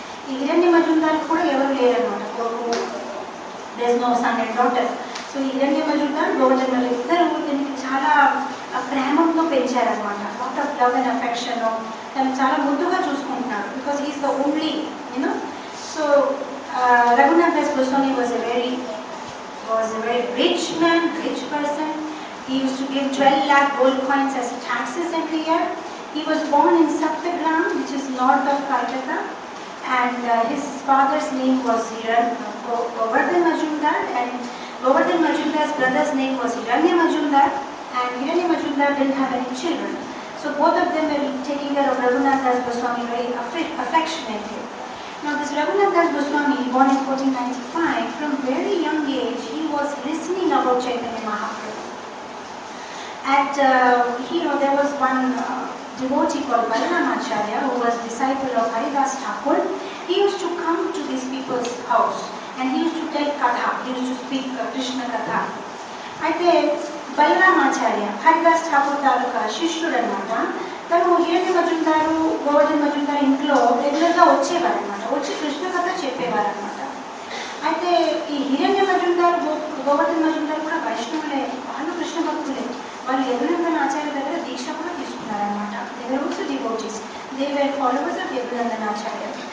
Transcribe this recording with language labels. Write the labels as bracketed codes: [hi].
[te] ఈ హిరణ్య మజుందార్ కూడా ఎవరు లేరనమాట, కొడుకు [en] There's no son and daughter. [te] So ఈ హిరణ్య మజుందార్ గోవర్ధన్ గారు ఇద్దరు దీనికి చాలా ప్రేమతో పెంచారనమాట. [en] out of love and affection [te] తను చాలా ముందుగా చూసుకుంటున్నారు, [en] Because he's the only you know. So Raghunath Das Goswami was a very rich man, rich person. He used to give 12 lakh gold coins as taxes every year. He was born in Saptagram, which is north of Calcutta. And his father's name was Govardhan Majumdar. And Govardhan Majumdar's brother's name was Hiranya Majumdar. And Hiranya Majumdar didn't have any children. So both of them were taking care of Raghunath Das Goswami very affectionately. Now this Raghunath Das Goswami, born in 1495, from very young age he was listening about Chaitanya Mahaprabhu. At there was one devotee called Balaramacharya, who was disciple of Haridas Thakur. He used to come to these people's house and he used to tell katha, he used to speak Krishna katha. [te] Aithe Balaramacharya Haridas Thakur taluka shishyudu anamata. తను హిరణ్య మజుందారు గోవర్ధన్ మజుందారు ఇంట్లో రెగ్యులర్గా వచ్చేవారు అనమాట, వచ్చి కృష్ణ కథ చెప్పేవారు అనమాట. అయితే ఈ హిరణ్య మజుందారు గోవర్ధన్ మజుందారు కూడా వైష్ణవులే, వాళ్ళు కృష్ణ భక్తులే. వాళ్ళు యదునందన్ ఆచార్య దగ్గర దీక్ష కూడా తీసుకున్నారనమాట. [en] They were also devotees, they were followers of Yadunandan Acharya.